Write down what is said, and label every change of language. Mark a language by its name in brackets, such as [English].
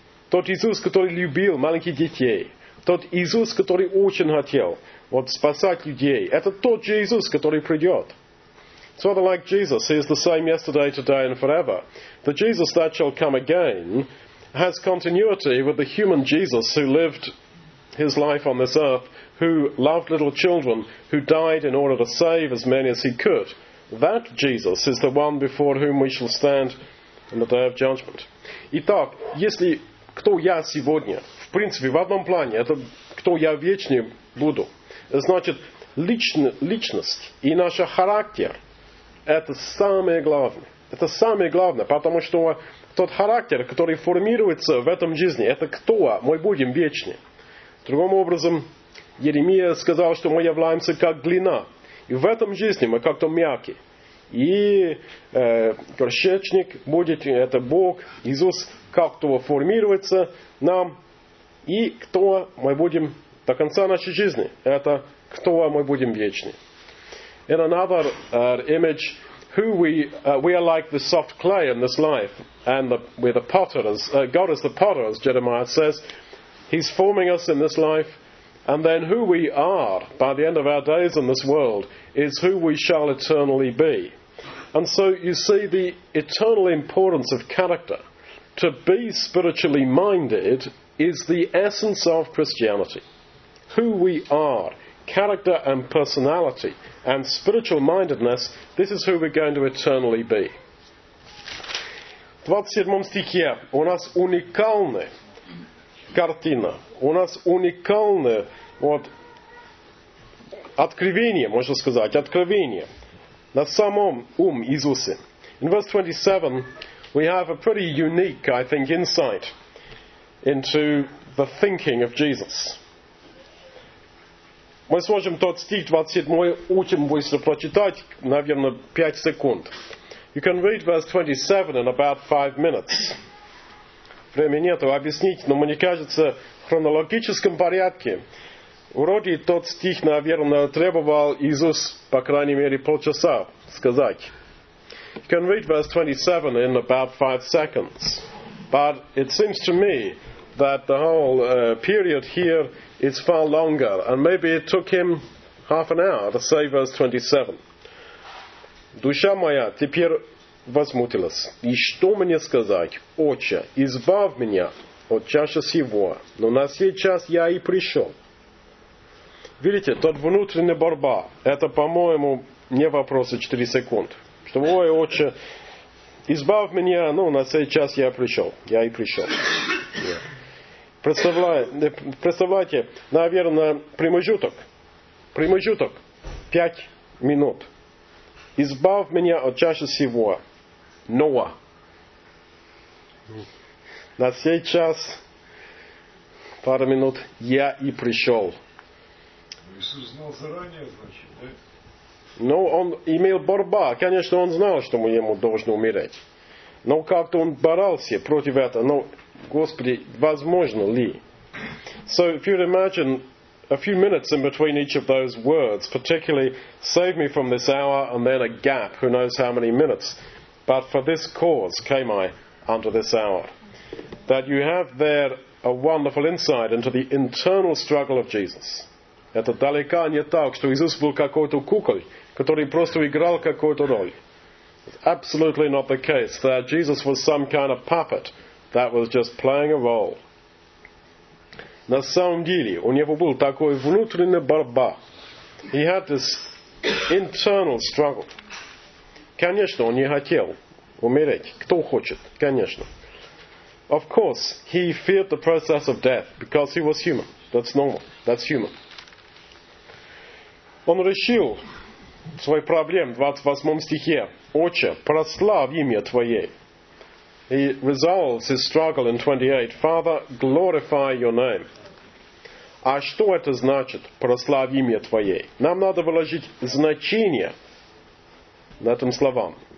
[Russian] Тот Иисус, который любил маленьких детей. Тот Иисус, который очень хотел спасать людей. Это тот же Иисус, который придет. [English] Sort of like Jesus, He is the same yesterday, today, and forever. The Jesus that shall come again has continuity with the human Jesus who lived His life on this earth, who loved little children, who died in order to save as many as He could. That Jesus is the one before whom we shall stand in the day of judgment. [Russian] Итак, если кто я сегодня, в принципе, в одном плане, это кто я вечнее буду, значит, личность и наш характер это самое главное. Это самое главное, потому что тот характер, который формируется в этом жизни, это кто мы будем вечны. Другим образом, Еремия сказал, что мы являемся как глина. И в этом жизни мы как-то мягки. И горшечник будет, это Бог, Иисус, как-то формируется нам. И кто мы будем до конца нашей жизни, это кто мы будем вечны. [English] In another image, we are like the soft clay in this life, and we're the potter. God is the potter, as Jeremiah says. He's forming us in this life, and then who we are by the end of our days in this world is who we shall eternally be. And so you see the eternal importance of character. To be spiritually minded is the essence of Christianity. Who we are. Character and personality and spiritual mindedness, this is who we're going to eternally be. [Russian] В 27 стихе у нас уникальная картина, у нас уникальное откровение, можно сказать, откровение на самом Иисусе. [English] In verse 27, we have a pretty unique, I think, insight into the thinking of Jesus. [Russian] Мы сможем тот стих 27 очень быстро прочитать, наверное, 5 секунд. [English] You can read verse 27 in about 5 minutes. [Russian] Времени нету объяснить, но мне кажется, в хронологическом порядке вроде тот стих, наверное, требовал Иисус, по крайней мере, полчаса сказать. [English] You can read verse 27 in about 5 seconds. But it seems to me that the whole period here is far longer, and maybe it took him half an hour to say verse 27. [Russian] Душа моя теперь возмутилась, и что мне сказать, Отче, избавь меня от чаши сего, но на сей час я и пришел. Видите, тот внутренняя борьба, это, по-моему, не вопрос 4 секунд. Что, ой, Отче, избавь меня, на сей час я пришел, я и пришел. Представляете, наверное, промежуток, 5 минут. Избавь меня от чаши сего, Ноа. На сей час, пару минут, я и пришел. Иисус знал заранее, значит, да? Но он имел борьба. Конечно, он знал, что ему должно умереть. Но как-то он боролся против этого. Но, Господи, возможно ли? [English] So, if you'd imagine a few minutes in between each of those words, particularly, save me from this hour, and then a gap, who knows how many minutes. But for this cause came I unto this hour. That you have there a wonderful insight into the internal struggle of Jesus. [Russian] Это далеко не так, что Иисус был какой-то куколь, который просто играл какую-то роль. [English] It's absolutely not the case that Jesus was some kind of puppet that was just playing a role. [Russian] На самом деле, у него был такой внутренний борьба. [English] He had this internal struggle. [Russian] Конечно, он не хотел умереть. Кто хочет? Конечно. [English] Of course, he feared the process of death because he was human. That's normal. That's human. [Russian] Он решил свой проблем в 28 стихе. Отче, прославь имя Твое. [English] He resolves his struggle in 28. Father, glorify your name. [Russian] А что это значит, прославь имя Твое? Нам надо выложить значение на этом словам.